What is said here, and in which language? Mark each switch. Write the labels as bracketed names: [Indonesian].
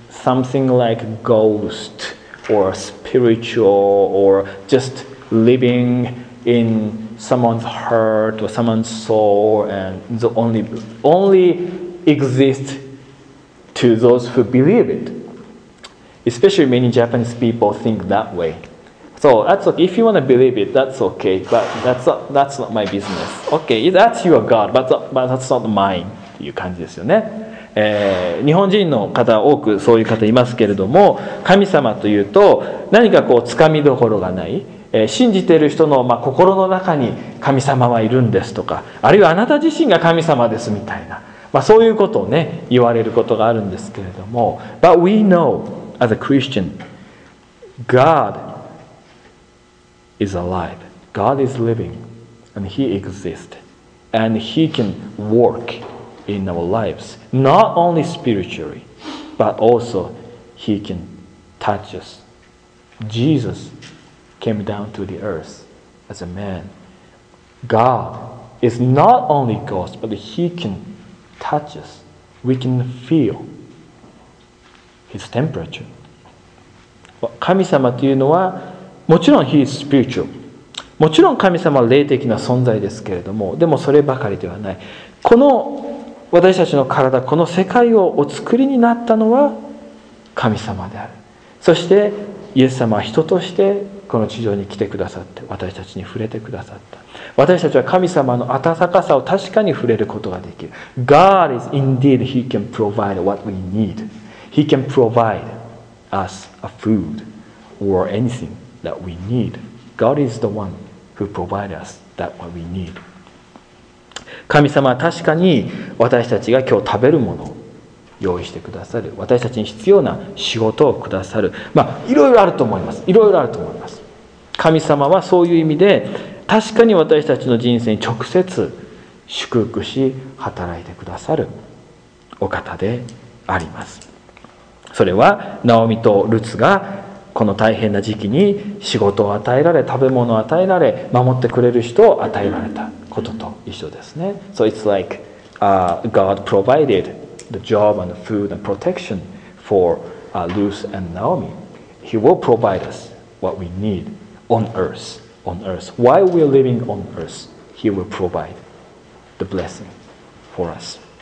[English] something like ghost or spiritual or just living in someone's heart or someone's soul and the only exist to those who believe it. Especially many Japanese people think that way. So that's okay. If you want to believe it, that's okay. But that's not my business. Okay, that's your God, but that's not mine. [Japanese] っていう感じですよね。日本人の方多くそういう方いますけれども、神様というと何かこうつかみどころがない、信じている人の、まあ、心の中に神様はいるんですとか、あるいはあなた自身が神様ですみたいな、まあ、そういうことをね言われることがあるんですけれども、 [English] But we know as a Christian God is alive. God is living and he exists and he can workin our lives, not only spiritually, but also he can touch us. Jesus came down to the earth as a man. God is not only God, but he can touch us. We can feel his temperature. [Japanese] 神様というのはもちろん [English] he is spiritual. [Japanese] もちろん神様は霊的な存在ですけれども、でもそればかりではない。この私たちの体、この世界をお作りになったのは神様である。そしてイエス様は人としてこの地上に来てくださって、私たちに触れてくださった。私たちは神様の温かさを確かに触れることができる。 [English] God is indeed he can provide what we need. He can provide us a food or anything that we need. God is the one who provides us that what we need. [Japanese] 神様は確かに私たちが今日食べるものを用意してくださる、私たちに必要な仕事をくださる、まあいろいろあると思います、いろいろあると思います。神様はそういう意味で確かに私たちの人生に直接祝福し働いてくださるお方であります。それはナオミとルツがこの大変な時期に仕事を与えられ、食べ物を与えられ、守ってくれる人を与えられたことと一緒ですね。 [English] So it's like、God provided the job and the food and protection for、Ruth and Naomi. He will provide us what we need on earth. On earth. While we're living on earth, He will provide the blessing for us.